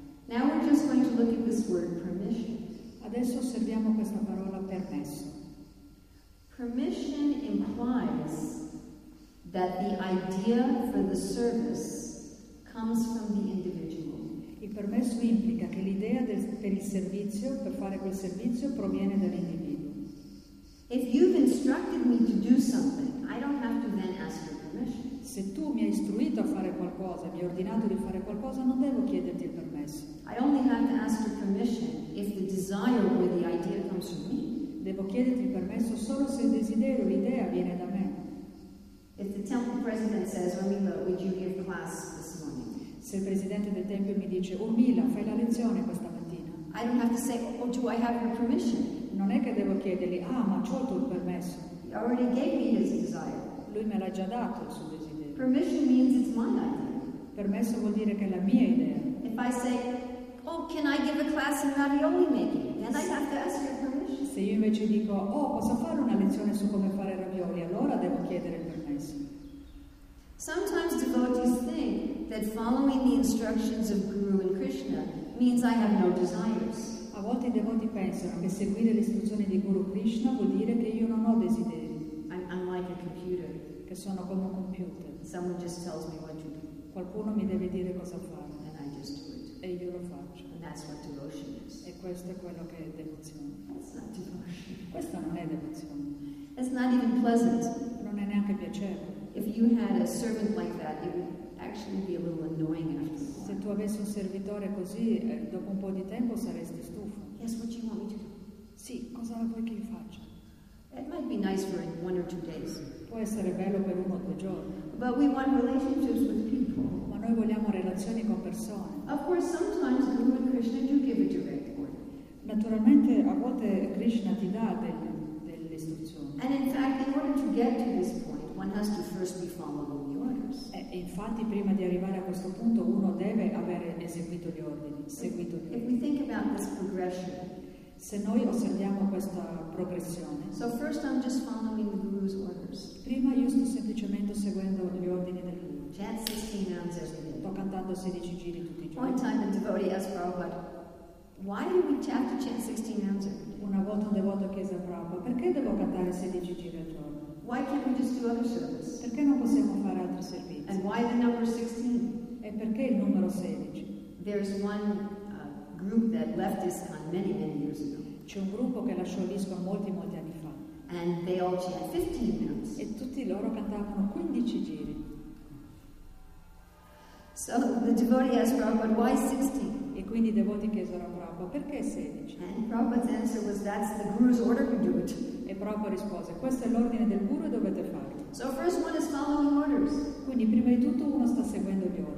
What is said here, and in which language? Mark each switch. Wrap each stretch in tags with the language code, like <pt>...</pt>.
<en>Now we're just going to look at this word, permission.</en> <it>Adesso osserviamo questa parola permesso.</it> <en>Permission implies that the idea for the service comes from the individual.</en> <it>Il permesso implica che l'idea per il servizio, per fare quel servizio, proviene dall'individuo.</it> <en>If you've instructed me to do something, I don't have to then ask for permission.</en> <it>Se tu mi hai istruito a fare qualcosa, mi hai ordinato di fare qualcosa, non devo chiederti il permesso.</it> <en>I only have to ask for permission if the desire or the idea comes from me.</en> <it>Devo chiederti il permesso solo se il desiderio, l'idea viene da me.</it> <en>If the temple president says, Urmila, would you give class this morning?</en> <it>Se il presidente del tempio mi dice, Urmila, fai la lezione questa mattina.</it> <en>I don't have to say, oh, do I have your permission?</en> <it>Non è che devo chiedergli, ah, ma c'ho il tuo permesso.</it> <en>He already gave me his desire.</en> <it>Lui me l'ha già dato il suo desiderio.</it> <en>Permission means it's my idea.</en> <it>Permesso vuol dire che è la mia idea.</it> <en>If I say, oh, can I give a class in ravioli making? Then I have to ask your permission.</en> <it>Se io invece dico, oh, posso fare una lezione su come fare ravioli, allora devo chiedere il permesso.</it> <en>Sometimes devotees think that following the instructions of Guru and Krishna means I have no desires.</en> <it>A volte i devoti pensano che seguire le istruzioni di Guru Krishna vuol dire che io non ho desideri.</it> <en>I'm like a computer.</en> <it>Che sono come un computer.</it> <en>Someone just tells me what to do.</en> <it>Qualcuno mi deve dire cosa fare.</it> <en>And I just do it.</en> <it>E io lo faccio.</it> <en>And that's what devotion is.</en> <it>E questo è quello che è devozione.</it> <en>It's not devotion.</en> <it>Questa non è devozione.</it> <en>It's not even pleasant.</en> <it>Non è neanche piacevole.</it> <en>If you had a servant like that, it would actually be a little annoying after a while.</en> <it>Se tu avessi un servitore così, dopo un po' di tempo saresti stufo.</it> <en>Yes, what do you want me to do?</en> <it>Sì, cosa vuoi che io faccia?</it> <en>It might be nice for one or two days.</en> <it>Può essere bello per uno o due giorni.</it> <en>But we want relationships with people.</en> <it>Ma noi vogliamo relazioni con persone.</it> <en>Of course, sometimes Guru and Krishna do give a direct order.</en> <it>Naturalmente, a volte Krishna ti dà delle istruzioni.</it> <en>And in fact, in order to get to this point, one has to first be following the orders.</en> <it>E infatti, prima di arrivare a questo punto, uno deve avere eseguito gli ordini, seguito gli ordini.</it> <en>If we think about this progression.</en> <it>Se noi osserviamo questa progressione.</it> <en>So first I'm just following the Guru's orders.</en> <it>Prima io sto semplicemente seguendo gli ordini del Guru.</it> <en>Chant 16 rounds every day.</en> <it>Sto cantando 16 giri tutti i giorni.</it> <en>One time a devotee asked Prabhupada, why do we have to chant 16 rounds every day?</en> <it>Una volta un devoto chiese a Prabhupada, perché devo cantare 16 giri al giorno?</it> <en>Why can't we just do other service?</en> <it>Perché non possiamo fare altri servizi?</it> <en>And why the number 16?</en> <it>E perché il numero 16?</it> <en>There's one group that left ISKCON many, many years ago.</en> <it>C'è un gruppo che lasciò l'ISKCON molti, molti anni fa.</it> <en>And they all chant 15 rounds.</en> <it>E tutti loro cantavano 15 giri.</it> <en>So the devotee asked Prabhupada, why 16?</en> <it>E quindi i devoti chiesero a Prabhupada, perché 16?</it> <en>And Prabhupada's answer was, that's the Guru's order, you do it.</en> <it>E Prabhupada rispose, questo è l'ordine del Guru e dovete farlo.</it> <en>So first one is following orders.</en> <it>Quindi prima di tutto uno sta seguendo gli ordini.</it>